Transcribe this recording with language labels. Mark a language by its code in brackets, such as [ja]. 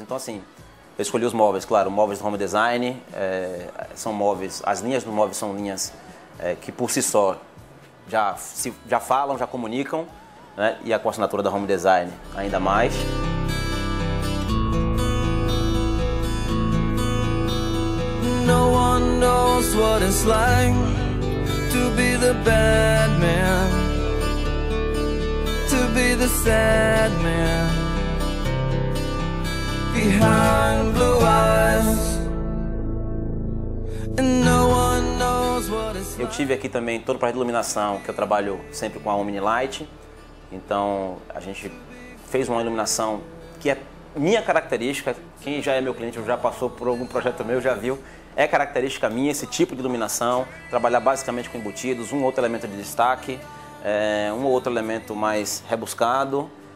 [pt] Então assim, eu escolhi os móveis, claro, móveis do home design, são móveis, as linhas do móvel são linhas que por si só já falam, já comunicam. Né? E com a assinatura da Home Design, ainda mais. [en] No one knows what it's like to be the bad man, to be the sad man. Behind blue eyes. And no one knows what it's like. [pt] Eu tive aqui também todo o projeto de iluminação, que eu trabalho sempre com a Omnilight. Então, a gente fez uma iluminação que é minha característica. Quem já é meu cliente, já passou por algum projeto meu, já viu. É característica minha esse tipo de iluminação. Trabalhar basicamente com embutidos, um outro elemento de destaque, um outro elemento mais rebuscado.